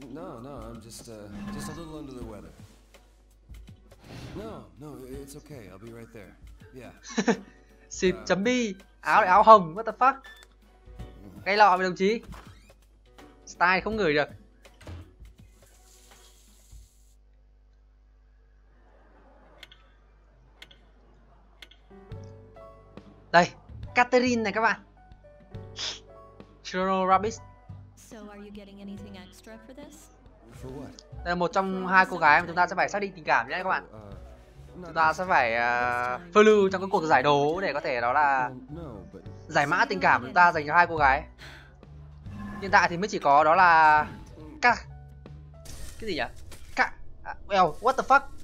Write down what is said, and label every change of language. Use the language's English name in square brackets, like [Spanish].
[English] No, I'm just a little under the weather. No, it's okay, I'll be right there. Yeah. [Vietnamese] Xịt chấm bi, áo lại áo hồng, [English] what the fuck? [Vietnamese] Cái lọ với đồng chí. Style không ngửi được. Đây, Catherine này các bạn. [English] Chrono Rabbit. So are you getting anything extra for this? For what? [Vietnamese] Đây là một trong hai cô gái mà chúng ta sẽ phải xác định tình cảm nhé các bạn. Chúng ta sẽ phải phiêu lưu trong các cuộc giải đấu để có thể đó là giải mã tình cảm của chúng ta dành cho hai cô gái. Hiện tại thì mới chỉ có đó là cái gì nhỉ? [English] Well, what the fuck?